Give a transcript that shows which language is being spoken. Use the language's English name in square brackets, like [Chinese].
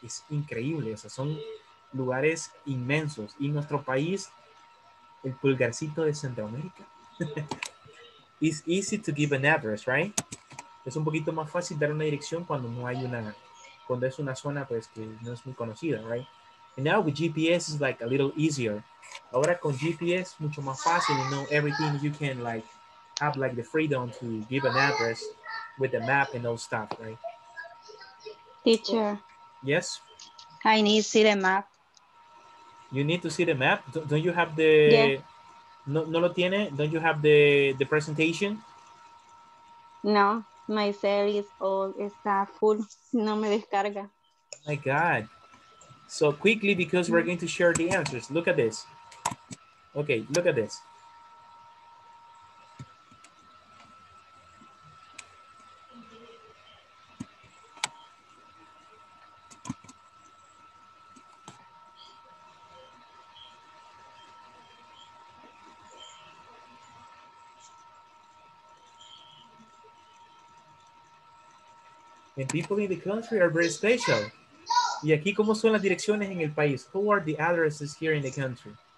[Spanish] Es increíble, o sea, son lugares inmensos. Y nuestro país, el pulgarcito de Centroamérica. [English] It's easy to give an address, right? [Spanish] Es un poquito más fácil dar una dirección cuando no hay una, cuando es una zona pues que no es muy conocida, [English] right? And now with GPS is like a little easier. [Spanish] Ahora con GPS mucho más fácil, [English] you know, everything you can like have like the freedom to give an address with the map and all stuff, right? Teacher. Yes? I need to see the map. You need to see the map? Don't you have the... Yeah. [Spanish] No, no lo tiene? [English] Don't you have the presentation? No, my cell is all, [Spanish] está [English] full, [Spanish] no me descarga. [English] My God. So quickly, because we're going to share the answers. Look at this. Okay, look at this. And people in the country are very special. [Spanish] Y aquí, ¿cómo son las direcciones en el país? [English] Who are the addresses here in the country?